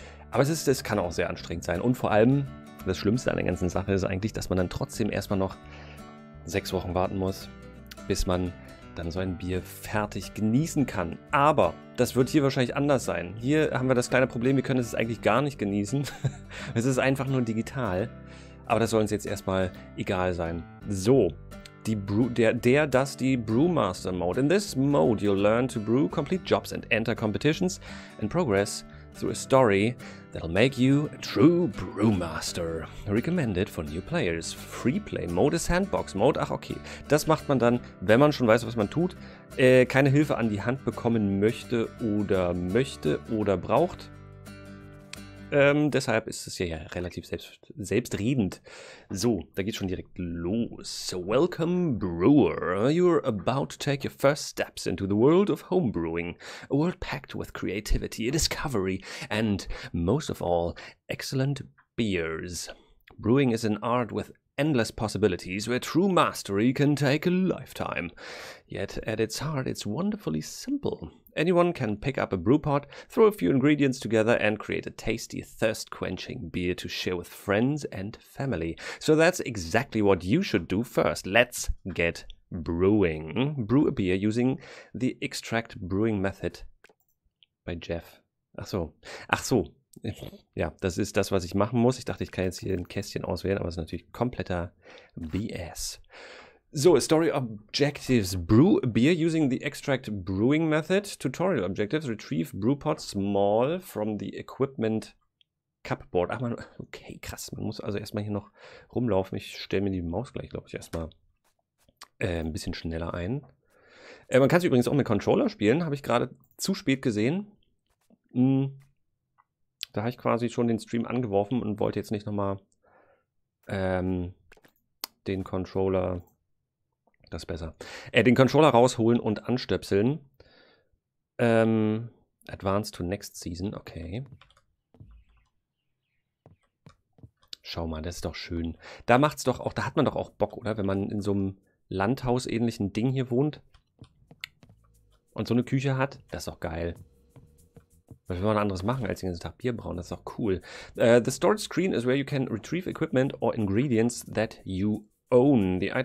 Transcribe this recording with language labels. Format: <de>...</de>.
<de>Aber es kann auch sehr anstrengend sein. Und vor allem, das Schlimmste an der ganzen Sache ist eigentlich, dass man dann trotzdem erstmal noch 6 Wochen warten muss, bis man dann so ein Bier fertig genießen kann. Aber das wird hier wahrscheinlich anders sein. Hier haben wir das kleine Problem, wir können es eigentlich gar nicht genießen. Es ist einfach nur digital. Aber das soll uns jetzt erstmal egal sein. So. Die Brewmaster Mode.</de> <en>In this mode you'll learn to brew, complete jobs and enter competitions and progress through a story that'll make you a true Brewmaster. Recommended for new players. Free Play Mode is Sandbox Mode.</en> <de>Ach, okay. Das macht man dann, wenn man schon weiß, was man tut, keine Hilfe an die Hand bekommen möchte oder braucht. Deshalb ist es ja relativ selbstredend. So, da geht's schon direkt los. So,</de> <en>welcome, Brewer. You're about to take your first steps into the world of homebrewing. A world packed with creativity, discovery and, most of all, excellent beers. Brewing is an art with endless possibilities where true mastery can take a lifetime. Yet, at its heart, it's wonderfully simple. Anyone can pick up a brew pot, throw a few ingredients together and create a tasty, thirst-quenching beer to share with friends and family. So that's exactly what you should do first. Let's get brewing. Brew a beer using the extract brewing method by Jeff.</en> <de>Ach so. Ja, das ist das, was ich machen muss. Ich dachte, ich kann jetzt hier ein Kästchen auswählen, aber es ist natürlich kompletter BS.</de> <en>So, Story Objectives. Brew a beer using the extract brewing method. Tutorial Objectives. Retrieve brew pot small from the equipment cupboard.</en> <de>Ach man, okay, krass. Man muss also erstmal hier noch rumlaufen. Ich stelle mir die Maus gleich, glaube ich, erstmal ein bisschen schneller ein. Man kann es übrigens auch mit Controller spielen. Habe ich gerade zu spät gesehen. Da habe ich quasi schon den Stream angeworfen und wollte jetzt nicht nochmal den Controller. Das ist besser. Den Controller rausholen und anstöpseln.</de> <en>Advance to next season. Okay.</en> <de>Schau mal, das ist doch schön. Da macht's doch auch, da hat man doch auch Bock, oder? Wenn man in so einem Landhaus-ähnlichen Ding hier wohnt und so eine Küche hat, das ist doch geil. Was will man anderes machen, als den ganzen Tag Bier brauen? Das ist doch cool.</de> <en>The storage screen is where you can retrieve equipment or ingredients that you own.</en>